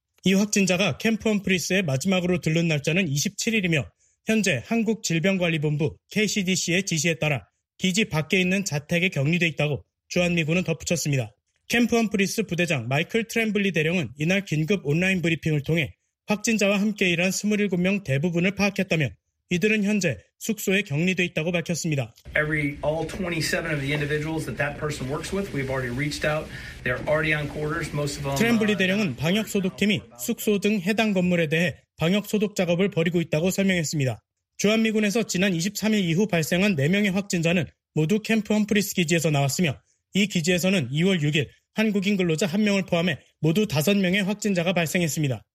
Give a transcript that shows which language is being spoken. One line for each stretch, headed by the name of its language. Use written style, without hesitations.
Korean: 이 확진자가 캠프 험프리스에 마지막으로 들른 날짜는 27일이며 현재 한국질병관리본부 KCDC의 지시에 따라 기지 밖에 있는 자택에 격리돼 있다고 주한미군은 덧붙였습니다. 캠프 험프리스 부대장 마이클 트램블리 대령은 이날 긴급 온라인 브리핑을 통해 확진자와 함께 일한 27명 대부분을 파악했다며 이들은 현재 숙소에 격리돼 있다고 밝혔습니다.
English: All 27 of the individuals that person works with, we've already reached out. They're already on quarters. Most of them.
Korean: 트램블리 대령은 방역 소독팀이 숙소 등 해당 건물에 대해 방역 소독 작업을 벌이고 있다고 설명했습니다. 주한미군에서 지난 23일 이후 발생한 4명의 확진자는 모두 캠프 험프리스 기지에서 나왔으며 이 기지에서는 2월 6일 한국인 근로자 1명을 포함해 모두 5명의 확진자가 발생했습니다.